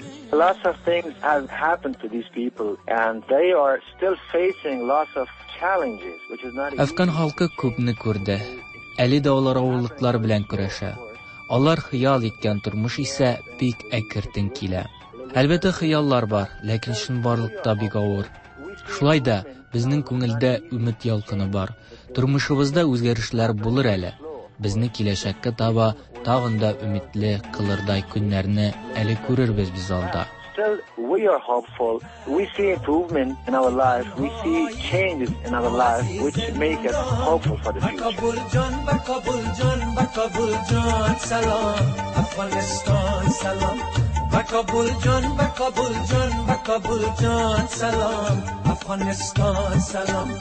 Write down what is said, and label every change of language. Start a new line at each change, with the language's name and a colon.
English: Lots of things have happened to these people and they are still facing lots of challenges which is not
Tatar: Afghan халкы күпне күрде. Әле дә алар авырлыклар белән көрәшә. Алар хыял иткән тормыш исә бик әкертен килә. Әлбәттә хыяллар бар, ләкин шун барлыкта бик авыр. Шулай да безнең күңелдә үмит ялкыны бар. Тормышыбызда үзгәрешләр булыр әле. Безне киләчәккә таба тагын да үмитле кылырдай көннәрне әле күрербез без алда.
English: Still, we are hopeful. We see improvement in our lives. We see changes in our lives, which make us hopeful for the future.